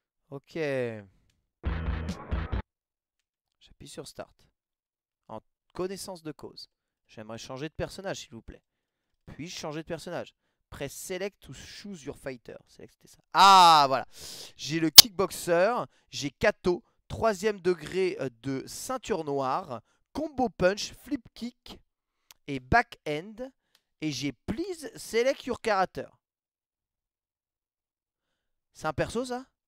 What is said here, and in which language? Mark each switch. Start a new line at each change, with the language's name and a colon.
French: Ok. J'appuie sur Start. En connaissance de cause, j'aimerais changer de personnage, s'il vous plaît. Puis-je changer de personnage?
English: Press Select to choose your fighter.
French: Select, c'était ça. Ah, voilà. J'ai le kickboxer. J'ai Kato. Troisième degré de ceinture noire. Combo punch, flip kick et back end. Et j'ai
English: Please Select your character.
French: C'est un perso, ça?